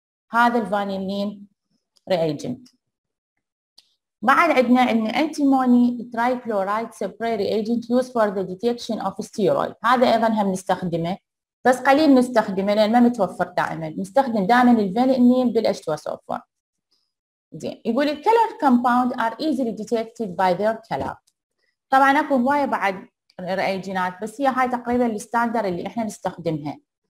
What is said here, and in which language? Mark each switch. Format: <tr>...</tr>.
<ar>هذا الفانيلين</ar> <en>reagent.</en> <ar>بعد عندنا إن</ar> <en>antimony trichloride spray reagent used for the detection of steroid.</en> <ar>هذا أيضا هم نستخدمه بس قليل نستخدمه لأن ما متوفر دائما. نستخدم دائما الفانيلين بالH2SO4. زين يقول</ar> <en>color compound are easily detected by their color.</en> <ar>طبعا أكو هواية بعد reagents بس هي هاي تقريبا الستاندر اللي إحنا نستخدمها.</ar>